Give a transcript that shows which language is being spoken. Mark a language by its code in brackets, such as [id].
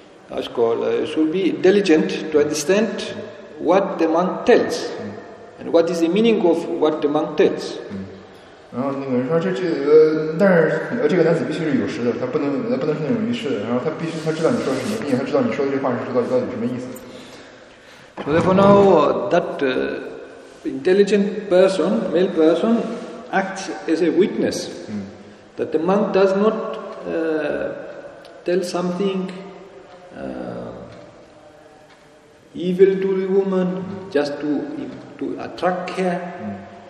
[en] That's called should be diligent to understand what the monk tells, and what is the meaning of what the monk tells. [zh] 然后那个人说这，但是这个男子必须是有识的，他不能是那种愚痴的。然后他必须他知道你说的是什么意思，他知道你说的这话是到底什么意思。So [en] therefore, now that intelligent person, male person, acts as a witness that the monk does not tell something evil to the woman just to attract her.